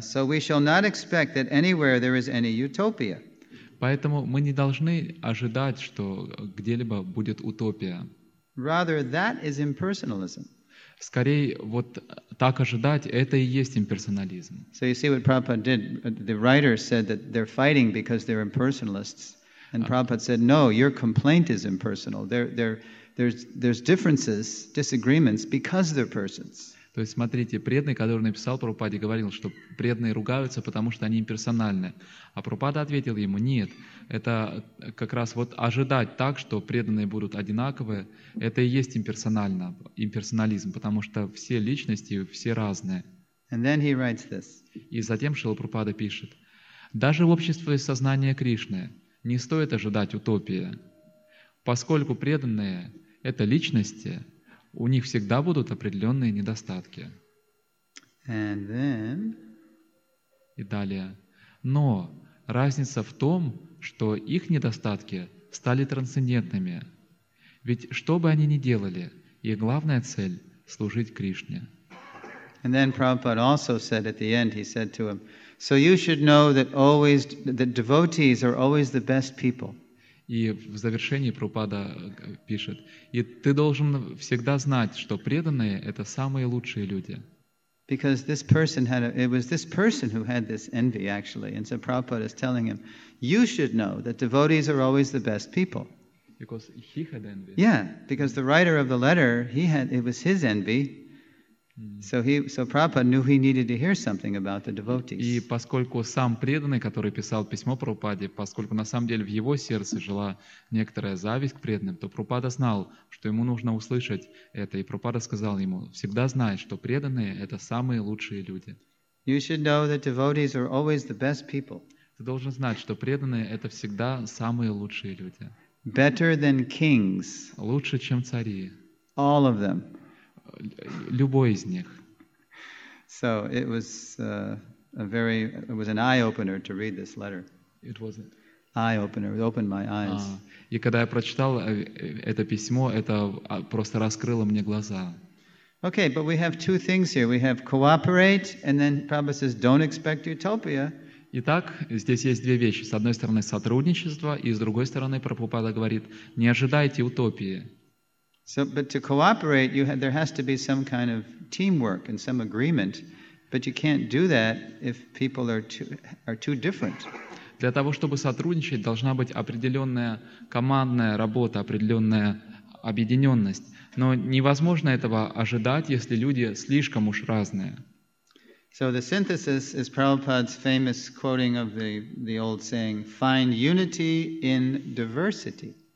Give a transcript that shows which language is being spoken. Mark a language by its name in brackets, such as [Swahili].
[English] So we shall not expect that anywhere there is any utopia. [Russian] Поэтому мы не должны ожидать, что где-либо будет утопия. [English] Rather, that is impersonalism. [Russian] Скорее, вот так ожидать, это и есть имперсонализм. [English] So you see what Prabhupada did. The writer said that they're fighting because they're impersonalists. And Prabhupada said, no, your complaint is impersonal. There's differences, disagreements, because they're persons. [Russian] То есть, смотрите, преданный, который написал Прабхупаде, говорил, что преданные ругаются, потому что они имперсональны. А Прабхупада ответил ему, нет, это как раз вот ожидать так, что преданные будут одинаковые, это и есть имперсонально, имперсонализм, потому что все личности, все разные. [English] And then he writes this. [Russian] И затем Шрила Прабхупада пишет, даже в обществе сознания Кришны не стоит ожидать утопии, поскольку преданные – это личности, у них всегда будут определенные недостатки. [English] And then... [Russian] И далее. Но разница в том, что их недостатки стали трансцендентными. Ведь что бы они ни делали, их главная цель — служить Кришне. [English] And then Prabhupada also said at the end, he said to him, so you should know that always the devotees are always the best people. [Russian] И в завершении Прабхупада пишет, и ты должен всегда знать, что преданные — это самые лучшие люди. [English] Because this person had a, it was this person who had this envy actually, and so Prabhupada is telling him, you should know that devotees are always the best people. Because he had envy. Yeah, because the writer of the letter, he had, it was his envy. So Prabhupada knew he needed to hear something about the devotees. [Russian] И поскольку сам преданный, который писал письмо Прабхупаде, поскольку на самом деле в его сердце жила некоторая зависть к преданным, то Прабхупада знал, что ему нужно услышать это. И Прабхупада сказал ему, всегда знай, что преданные — это самые лучшие люди. [English] You should know that devotees are always the best people. [Russian] Ты должен знать, что преданные — это всегда самые лучшие люди. [English] Better than kings. [Russian] Лучше, чем цари. [English] All of them. [Russian] Любой из них. [English] So it was a very, it was an eye opener to read this letter. It was eye opener. It opened my eyes. [Russian] И когда я прочитал это письмо, это просто раскрыло мне глаза. [English] Okay, but we have two things here. We have cooperate, and then Prabhupada says, don't expect utopia. [Russian] Итак, здесь есть две вещи. С одной стороны, сотрудничество, и с другой стороны, Прабхупада говорит, не ожидайте утопии. [English] So, but to cooperate, you have, there has to be some kind of teamwork and some agreement. But you can't do that if people are too different. [Russian] Для того чтобы сотрудничать, должна быть определенная командная работа, определенная объединенность. Но невозможно этого ожидать, если люди слишком уж разные. [English] So the synthesis is Prabhupada's famous quoting of the old saying: "Find unity in diversity."